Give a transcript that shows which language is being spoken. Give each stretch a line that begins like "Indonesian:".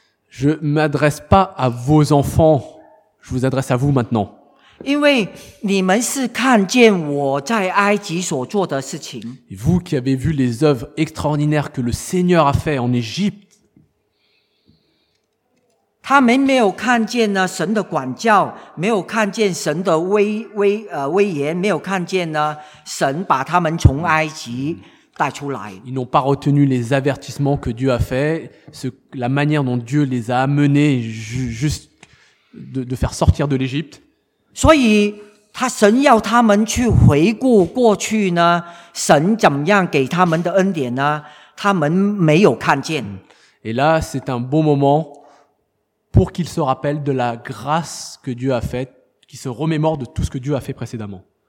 French: Je m'adresse pas à vos enfants, je vous adresse à vous maintenant.
Chinese: 因为你们是看见我在埃及所做的事情。
French: Vous qui avez vu les œuvres extraordinaires que le Seigneur a fait en Égypte.
Chinese: 他们没有看见呢神的管教，没有看见神的威严，没有看见呢神把他们从埃及带出来。
French: Ils n'ont pas retenu les avertissements que Dieu a fait, la manière dont Dieu les a amenés juste de faire sortir de l'Égypte.
Chinese: 所以他神要他们去回顾过去呢，神怎么样给他们的恩典呢？他们没有看见。
French: Et là, c'est un bon moment pour qu'ils se rappellent de la grâce que Dieu a faite, qu'ils se remémorent de tout ce que Dieu a fait précédemment.